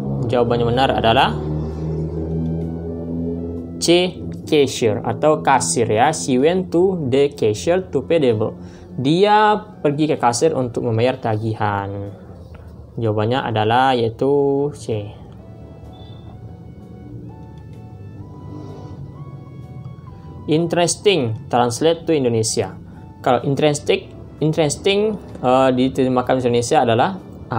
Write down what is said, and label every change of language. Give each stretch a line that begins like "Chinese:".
Indonesian: Jawaban yang benar adalah C. Cashier atau kasir ya.
English: She went to the cashier to pay the bill.
Indonesian: Dia pergi ke kasir untuk membayar tagihan. Jawabannya adalah yaitu C.
English: Interesting, translate to Indonesia.
Indonesian: Kalau interesting diterjemahkan di Indonesia adalah A.